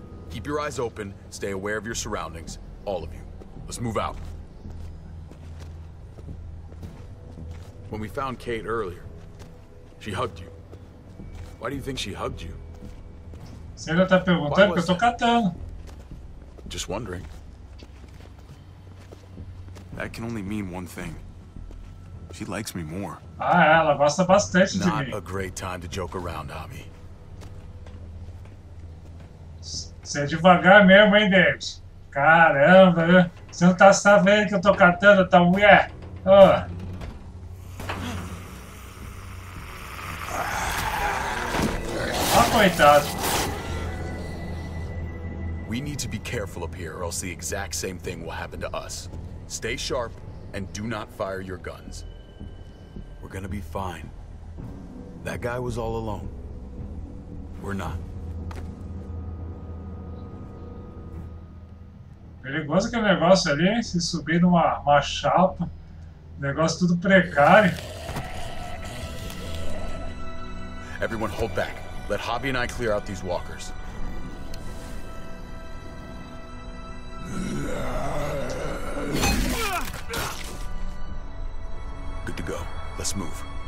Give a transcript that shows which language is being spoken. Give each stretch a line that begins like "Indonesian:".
English: Keep your eyes open, stay aware of your surroundings, all of you. Let's move out. When we found Kate earlier, she hugged you. Why do you think she hugged you?
Portuguese: Você ainda tá perguntando que eu tô catando.
English: Just wondering. That can only mean one thing. She likes me more.
Portuguese: Ah, ela gosta bastante de mim.
English: Not a great time to joke around, Ami.
Portuguese: Você é devagar mesmo, hein, David? Caramba, né? Você não tá sabendo que eu tô catando tua mulher? Oh. Ah, coitado.
English: We need to be careful up here, or else the exact same thing will happen to us. Stay sharp and do not fire your guns. We're gonna be fine. That guy was all alone. We're not.
Portuguese: Perigoso que é o negócio ali, hein? Se subir numa uma chapa, negócio tudo precário.
English: Everyone hold back. Let Javi and I clear out these walkers. Good to go. Let's move.